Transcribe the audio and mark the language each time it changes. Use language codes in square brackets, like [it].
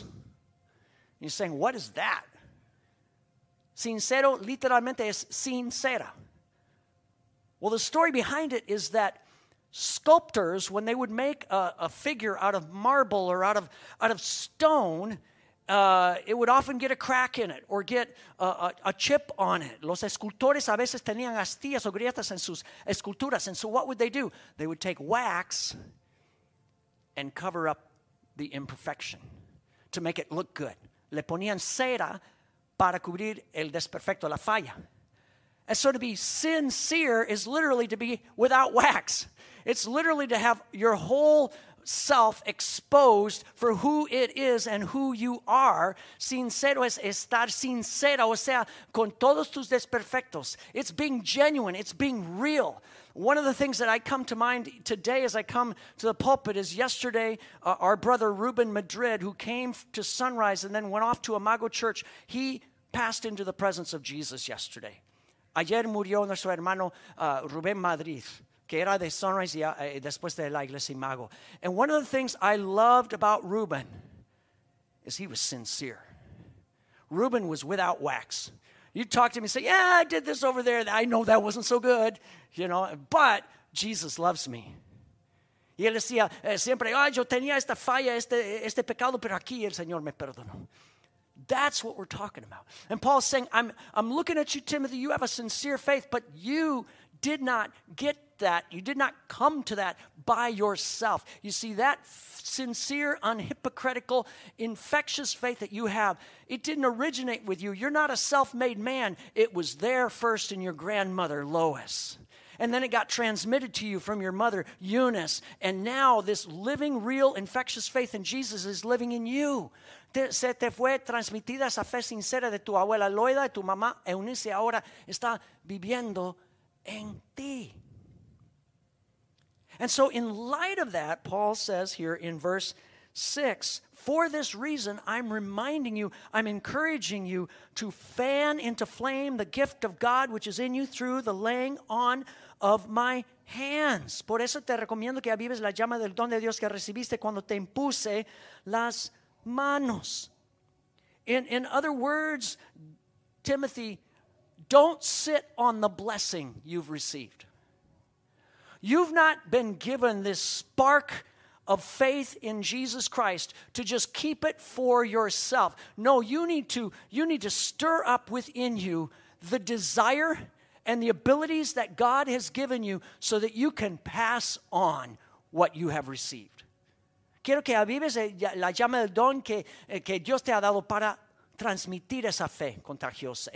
[en] And you're saying, what is that? [es] Sincero literalmente es sincera. [en] Well, the story behind it is that sculptors, when they would make a figure out of marble or out of stone, it would often get a crack in it or get a chip on it. [es] Los escultores a veces tenían astillas o grietas en sus esculturas. [en] And so what would they do? They would take wax and cover up the imperfection to make it look good. [es] Le ponían cera para cubrir el desperfecto, la falla. [en] And so to be sincere is literally to be without wax. It's literally to have your whole self exposed for who it is and who you are. [es] Sincero es estar sincera, o sea, con todos tus desperfectos. [en] It's being genuine. It's being real. One of the things that I come to mind today as I come to the pulpit is yesterday, our brother Ruben Madrid, who came to Sunrise and then went off to Imago Church, he passed into the presence of Jesus yesterday. [es] Ayer murió nuestro hermano Rubén Madrid, que era de Sunrise y después de la iglesia Imago. [en] And one of the things I loved about Ruben is he was sincere. Ruben was without wax. You'd talk to him and say, yeah, I did this over there. I know that wasn't so good, you know, but Jesus loves me. [es] Y él decía siempre, ay, yo tenía esta falla, este pecado, pero aquí el Señor me perdonó. [en] That's what we're talking about. And Paul's saying, I'm looking at you, Timothy. You have a sincere faith, but you did not get that. You did not come to that by yourself. You see, that sincere, unhypocritical, infectious faith that you have, it didn't originate with you. You're not a self-made man. It was there first in your grandmother, Lois. and then it got transmitted to you from your mother, Eunice, and now this living, real, infectious faith in Jesus is living in you. [es] Se te fue transmitida esa fe sincera de tu abuela Loida y tu mamá Eunice, ahora está viviendo en ti. [en] And so in light of that, Paul says here in verse 6, for this reason, I'm reminding you, I'm encouraging you to fan into flame the gift of God which is in you through the laying on of my hands. [es] Por eso te recomiendo que avives la llama del don de Dios que recibiste cuando te impuse las manos. [en] In other words, Timothy, don't sit on the blessing you've received. You've not been given this spark of faith in Jesus Christ to just keep it for yourself. No, you need to stir up within you the desire and the abilities that God has given you so that you can pass on what you have received. [es] Quiero que avives la llama del don que Dios te ha dado para transmitir esa fe contagiosa.